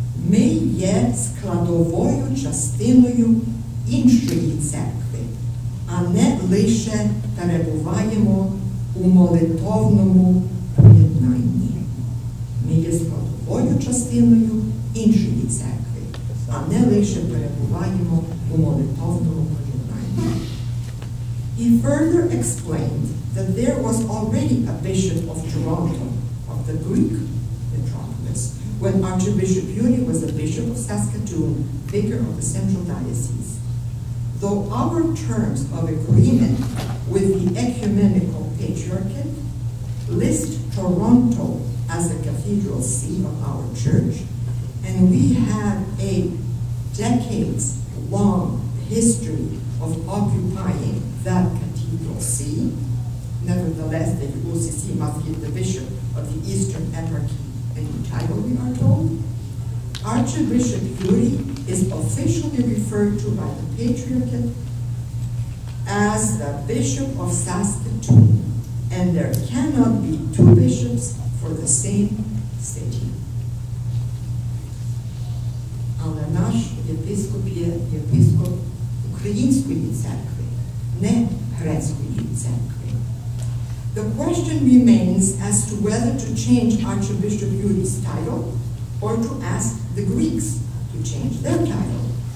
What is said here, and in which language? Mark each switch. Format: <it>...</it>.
<uk>Ми є складовою частиною іншої церкви, а не лише перебуваємо у молитовному об'єднанні. Ми є складовою частиною іншої церкви, а не лише перебуваємо у молитовному об'єднанні.</uk> <en>He further explained that there was already a bishop of Toronto, of the Greek metropolis, when Archbishop Yuri was a bishop of Saskatoon, vicar of the Central Diocese. Though our terms of agreement with the ecumenical patriarchate list Toronto as the cathedral see of our church, and we have a decades-long history of occupying that cathedral see, nevertheless, the UCC must be the bishop of the Eastern Eparchy and the title, we are told. Archbishop Yuri is officially referred to by the Patriarchate as the Bishop of Saskatoon, and there cannot be two bishops for the same city.</en> <uk>Але наш єпископ є єпископ Української церкви, не Грецької церкви.</uk> <en>The question remains as to whether to change Archbishop Yuri's title or to ask the Greeks to change their title.</en>